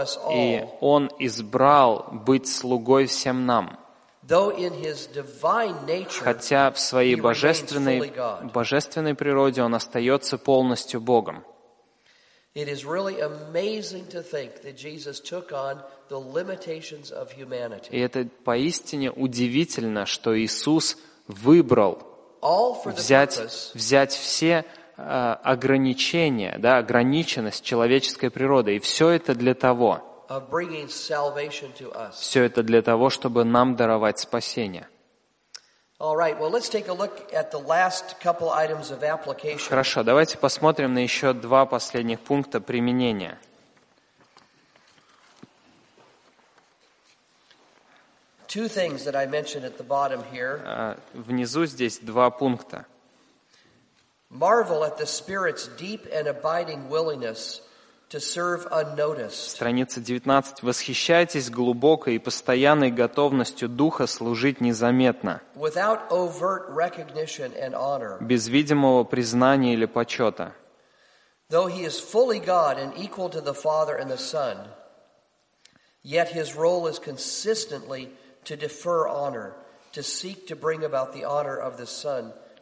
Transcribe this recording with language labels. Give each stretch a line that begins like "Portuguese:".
Russian: И Он избрал быть слугой всем нам. Хотя в своей божественной природе Он остается полностью Богом.
English: It is really amazing to think that Jesus took on the limitations of humanity.
Russian: И это поистине удивительно, что Иисус выбрал взять все ограничения, да, ограниченность человеческой природы, и все это для того.
English: Of bringing salvation to us.
Russian: Все это для того, чтобы нам даровать спасение.
English: All right. Well, let's take a look at the last couple items of application.
Russian: Хорошо, давайте посмотрим на еще два последних пункта применения.
English: Two things that I mentioned at the bottom here.
Russian: Внизу здесь два пункта.
English: Marvel at the Spirit's deep and abiding willingness to serve unnoticed.
Russian: Страница 19. Восхищайтесь глубокой и постоянной готовностью Духа служить незаметно.
English: Without overt recognition and honor.
Russian: Без видимого признания или почета.
English: Though he is fully God and equal to the Father and the Son, yet his role is consistently to defer honor, to seek to bring about the honor of the Son.